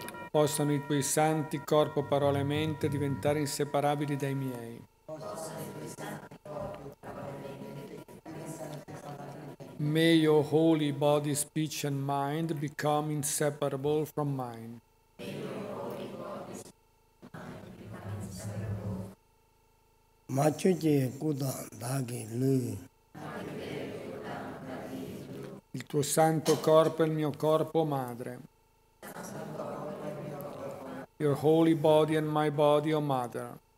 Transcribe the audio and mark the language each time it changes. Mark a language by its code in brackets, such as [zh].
[it] Possano i tuoi santi corpo, parola e mente diventare inseparabili dai miei. [en] May your holy body, speech and mind become inseparable from mine. May your holy body, mind become inseparable. [it] Il tuo santo corpo è il mio corpo, madre. [en] Your holy body and my body, O mother.